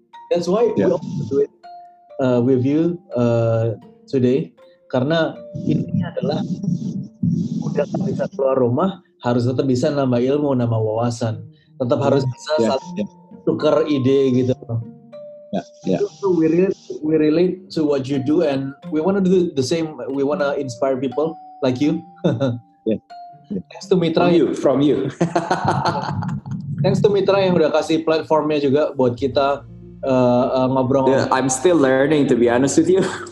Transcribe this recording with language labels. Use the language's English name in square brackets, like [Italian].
[English] That's why we all do it with you today. [Indonesian] Karena intinya adalah udah tak bisa keluar rumah, harus tetap bisa nambah ilmu, nambah wawasan. Tetap harus bisa tukar ide gitu. [English] Yeah. So we relate to what you do, and we want to do the same. We want to inspire people like you. Thanks to Mitra. From you. Thanks to [Indonesian] Mitra yang udah kasih platformnya juga buat kita ngobrol. [English] Yeah, I'm still learning, to be honest with you.